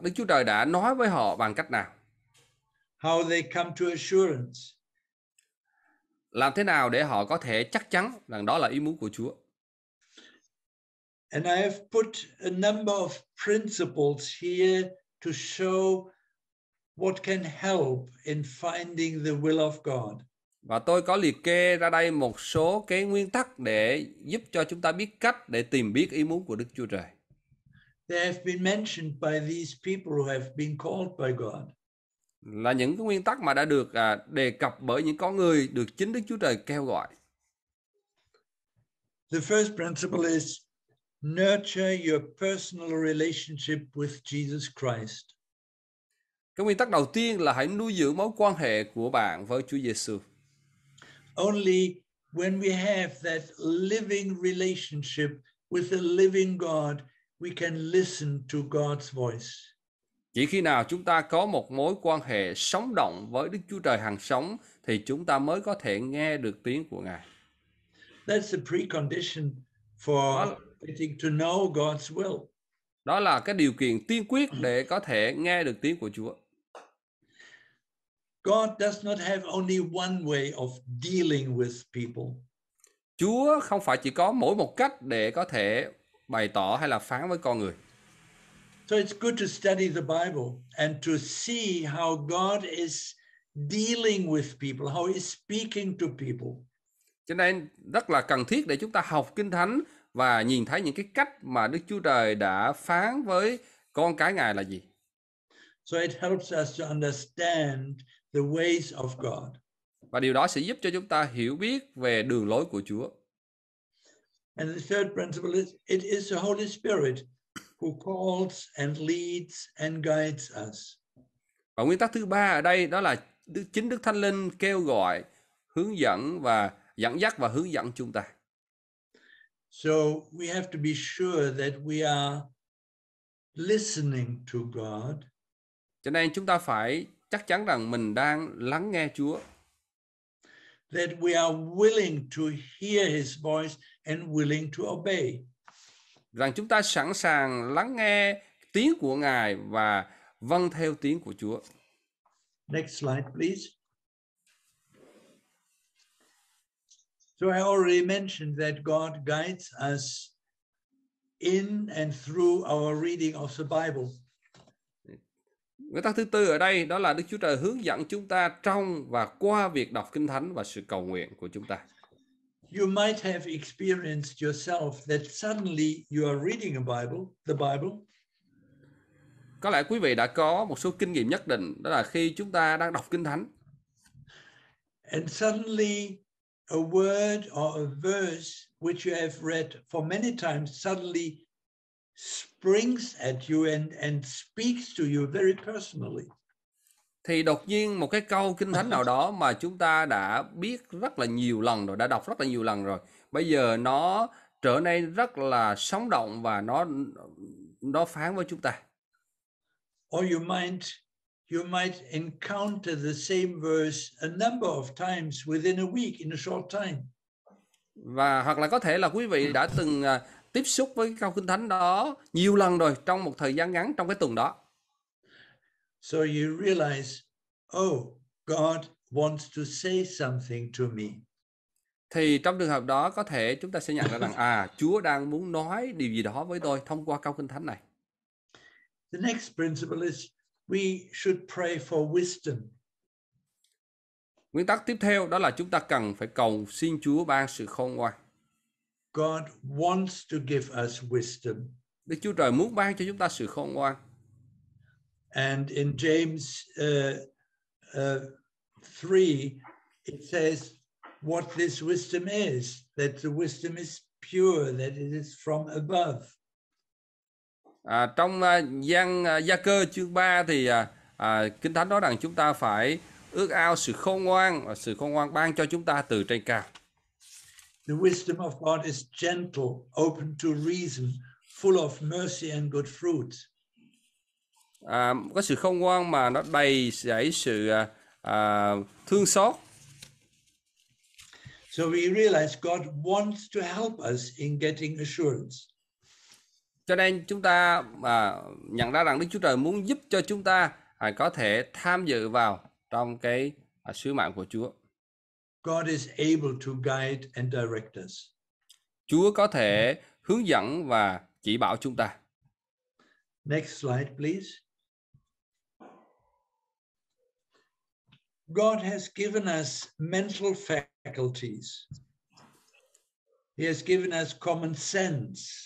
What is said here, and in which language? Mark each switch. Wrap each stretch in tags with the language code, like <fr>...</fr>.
<vi>Đức Chúa Trời đã nói với họ bằng cách nào?</vi> <en>How they come to assurance.</en> <vi>Làm thế nào để họ có thể chắc chắn rằng đó là ý muốn của Chúa?</vi> <en>And I have put a number of principles here to show what can help in finding the will of God.</en> <vi>Và tôi có liệt kê ra đây một số cái nguyên tắc để giúp cho chúng ta biết cách để tìm biết ý muốn của Đức Chúa Trời.</vi> <en>They have been mentioned by these people who have been called by God.</en> <vi>Là những cái nguyên tắc mà đã được đề cập bởi những con người được chính Đức Chúa Trời kêu gọi.</vi> <en>The first principle is nurture your personal relationship with Jesus Christ.</en> <vi>Cái nguyên tắc đầu tiên là hãy nuôi dưỡng mối quan hệ của bạn với Chúa Giêsu.</vi> <en>Only when we have that living relationship with the living God, we can listen to God's voice.</en> <vi>Chỉ khi nào chúng ta có một mối quan hệ sống động với Đức Chúa Trời hằng sống thì chúng ta mới có thể nghe được tiếng của Ngài.</vi> <en>That's the precondition for getting to know God's will.</en> <vi>Đó là cái điều kiện tiên quyết để có thể nghe được tiếng của Chúa.</vi> <en>God does not have only one way of dealing with people.</en> <vi>Chúa không phải chỉ có mỗi một cách để có thể bày tỏ hay là phán với con người.</vi> <en>So it's good to study the Bible and to see how God is dealing with people, how he's speaking to people.</en> <vi>Cho nên rất là cần thiết để chúng ta học Kinh Thánh và nhìn thấy những cái cách mà Đức Chúa Trời đã phán với con cái Ngài là gì.</vi> <en>So it helps us to understand the ways of God.</en> <vi>Và điều đó sẽ giúp cho chúng ta hiểu biết về đường lối của Chúa.</vi> <en>And the third principle is it is the Holy Spirit who calls and leads and guides us.</en> <vi>Và nguyên tắc thứ ba ở đây đó là chính Đức Thánh Linh kêu gọi, hướng dẫn và dẫn dắt và hướng dẫn chúng ta.</vi> <en>So we have to be sure that we are listening to God.</en> <vi>Cho nên chúng ta phải chắc chắn rằng mình đang lắng nghe Chúa.</vi> <en>That we are willing to hear his voice and willing to obey.</en> <vi>Rằng chúng ta sẵn sàng lắng nghe tiếng của Ngài và vâng theo tiếng của Chúa.</vi> <en>Next slide, please. So I already mentioned that God guides us in and through our reading of the Bible.</en> <vi>Nguyên tắc thứ tư ở đây đó là Đức Chúa Trời hướng dẫn chúng ta trong và qua việc đọc Kinh Thánh và sự cầu nguyện của chúng ta.</vi> <en>You might have experienced yourself that suddenly you are reading a Bible, the Bible.</en> <vi>Có lẽ quý vị đã có một số kinh nghiệm nhất định, đó là khi chúng ta đang đọc Kinh Thánh.</vi> <en>And suddenly a word or a verse which you have read for many times suddenly springs at you and speaks to you very personally.</en> <vi>Thì đột nhiên một cái câu Kinh Thánh nào đó mà chúng ta đã biết rất là nhiều lần rồi, đã đọc rất là nhiều lần rồi, bây giờ nó trở nên rất là sống động và nó phán với chúng ta.</vi> <en>Or you might encounter the same verse a number of times within a week in a short time.</en> <vi>Và hoặc là có thể là quý vị đã từng tiếp xúc với câu kinh thánh đó nhiều lần rồi trong một thời gian ngắn trong cái tuần đó.</vi> <en>So you realize, oh, God wants to say something to me.</en> <vi>Thì trong trường hợp đó có thể chúng ta sẽ nhận ra rằng à, Chúa đang muốn nói điều gì đó với tôi thông qua câu kinh thánh này.</vi> <en>The next principle is we should pray for wisdom.</en> <vi>Nguyên tắc tiếp theo đó là chúng ta cần phải cầu xin Chúa ban sự khôn ngoan.</vi> <en>God wants to give us wisdom.</en> <vi>Đức Chúa Trời muốn ban cho chúng ta sự khôn ngoan.</vi> <en>And in James 3 it says what this wisdom is, that the wisdom is pure, that it is from above.</en> <vi>À, trong Giăng Gia Cơ chương 3 thì Kinh Thánh nói rằng chúng ta phải ước ao sự khôn ngoan và sự khôn ngoan ban cho chúng ta từ trên cao.</vi> <en>The wisdom of God is gentle, open to reason, full of mercy and good fruit.</en> <vi>Có sự khôn ngoan mà nó đầy dẫy sự thương xót.</vi> <en>So we realize God wants to help us in getting assurance.</en> <vi>Cho nên chúng ta nhận ra rằng Đức Chúa Trời muốn giúp cho chúng ta có thể tham dự vào trong cái sứ mạng của Chúa.</vi> <en>God is able to guide and direct us.</en> <vi>Chúa có thể hướng dẫn và chỉ bảo chúng ta.</vi> <en>Next slide, please. God has given us mental faculties. He has given us common sense.</en>